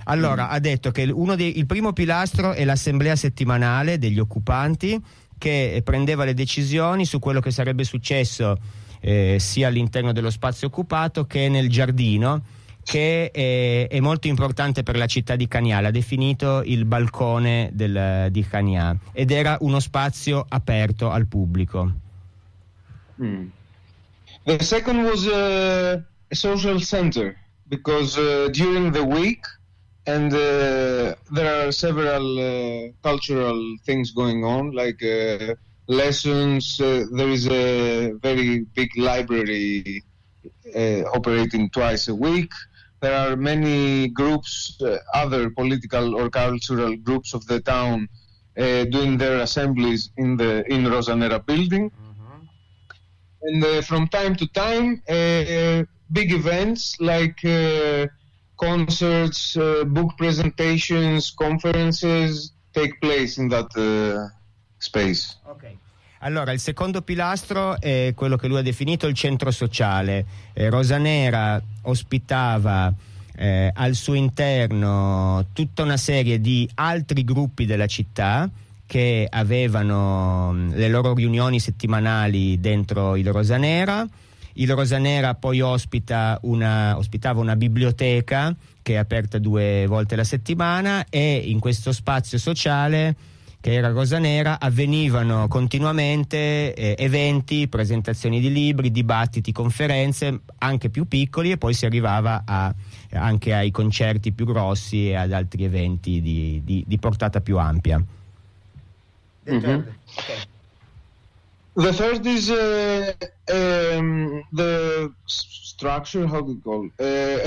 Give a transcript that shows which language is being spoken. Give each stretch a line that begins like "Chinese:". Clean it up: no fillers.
Italian: Allora, ha detto che il primo pilastro è l'assemblea settimanale degli occupanti, che prendeva le decisioni su quello che sarebbe successo sia all'interno dello spazio occupato che nel giardino, che è molto importante per la città di Cagna. L'ha definito il balcone di Cagna ed era uno spazio aperto al pubblico.
English: The second was a social center, because during the week and there are several cultural things going on, like lessons. There is a very big library operating twice a week. There are many groups, other political or cultural groups of the town, doing their assemblies in Rosa Nera building. Mm-hmm. And from time to time, big events like concerts, book presentations, conferences take place in that space. Okay.
Italian: Allora, il secondo pilastro è quello che lui ha definito il centro sociale. Rosa Nera ospitava al suo interno tutta una serie di altri gruppi della città che avevano le loro riunioni settimanali dentro il Rosa Nera. Il Rosa Nera poi ospitava una biblioteca che è aperta 2 volte la settimana, e in questo spazio sociale che era Rosa Nera avvenivano continuamente eventi, presentazioni di libri, dibattiti, conferenze anche più piccoli, e poi si arrivava anche ai concerti più grossi e ad altri eventi di portata più ampia. Mm-hmm.
English: The third is the structure, how do you call it?